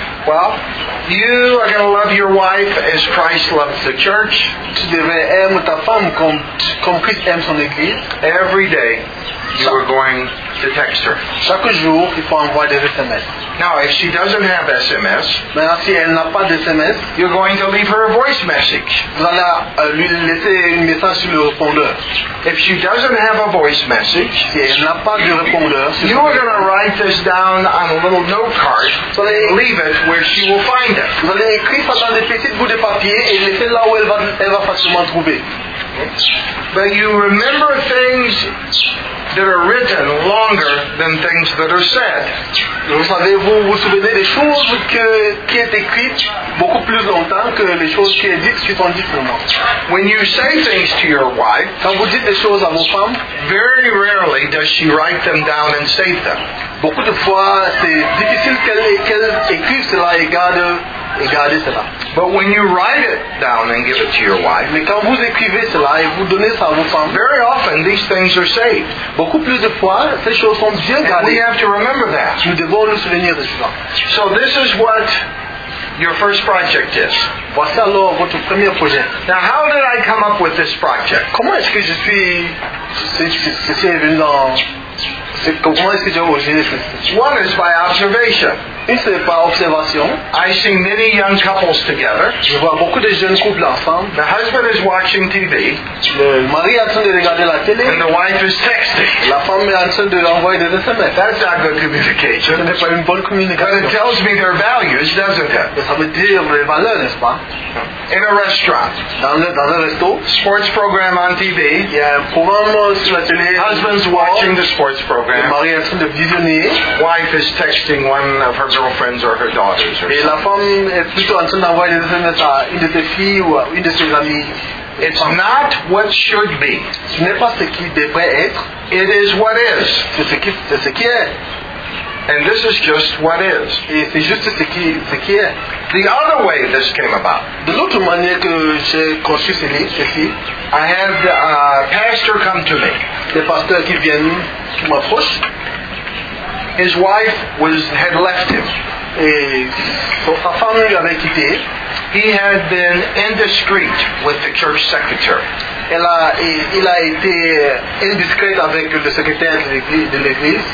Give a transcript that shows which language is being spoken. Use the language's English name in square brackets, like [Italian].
[English] Well, you are going to love your wife as Christ loves the church. [French] Tu devrais aimer ta femme comme Christ aime son église. [English] Every day, you are going to text her. [French] Chaque jour, il faut envoyer des SMS. [English] Now, if she doesn't have SMS, [French] maintenant si elle n'a pas de SMS, [English] you're going to leave her a voice message. [French] Vous allez lui laisser un message sur le répondeur. [English] If she doesn't have a voice message, [French] si elle n'a pas de répondeur, [English] you are going to write this down on a little note card. So they leave it where she will find it. [French] Vous allez écrire ça dans des petits bouts de papier et laisser là où elle va facilement trouver. [English] But you remember things that are written longer than things that are said. [French] Vous savez, vous souvenez des choses qui est écrites beaucoup plus longtemps que les choses qui est dites qui sont dites vraiment. [English] When you say things to your wife, [French] quand vous dites des choses à vos femmes, [English] very rarely does she write them down and save them. [French] Beaucoup de fois, c'est difficile qu'elle écrive cela et garde cela. [English] But when you write it down and give it to your wife, [French] mais quand vous écrivez cela et vous donnez ça à vos femmes, [English] very often these things are saved. [French] Beaucoup plus de fois, ces choses sont bien gardées. [English] And we have to remember that. [French] Nous devons nous souvenir de cela. [English] So this is what your first project is. [French] Voici alors votre premier projet. [English] Now how did I come up with this project? [French] Comment est-ce que je suis venu dans... [English] One is by observation. [French] Une, c'est par observation. [English] I see many young couples together. [French] Je vois beaucoup de jeunes couples ensemble. [English] The husband is watching TV. [French] Le mari est en train de regarder la télé. [English] And the wife is texting. [French] La femme est en train de envoyer des SMS. [English] That's not good communication. [French] Ce n'est pas une bonne communication. [English] But it tells me their values, doesn't it? [French] Ça veut dire les valeurs, n'est-ce pas? [English] In a restaurant. [French] Dans le resto. [English] Sports program on TV. Yeah, [French] programme sur la télé. [English] Husband's watching the sports program. [French] Le mari est en train de visionner. [English] Wife is texting one of her girlfriends or her daughters. Or [French] et la femme est plutôt en train d'envoyer des SMS à une de ses filles ou à une de ses amies. [English] It's not what should be. [French] Ce n'est pas ce qui devrait être. [English] It is what is. [French] C'est ce qui est. [English] And this is just what is. [French] Et c'est juste ce qui est. [English] The other way this came about. [French] De l'autre manière que j'ai conçu ceci, [English] I had a pastor come to me. [French] Le pasteur qui vient, qui m'approche. [English] His wife had left him. [French] Et sa femme lui avait quitté. [English] He had been indiscreet with the church secretary. [French] Il a été indiscret avec le secrétaire de l'église.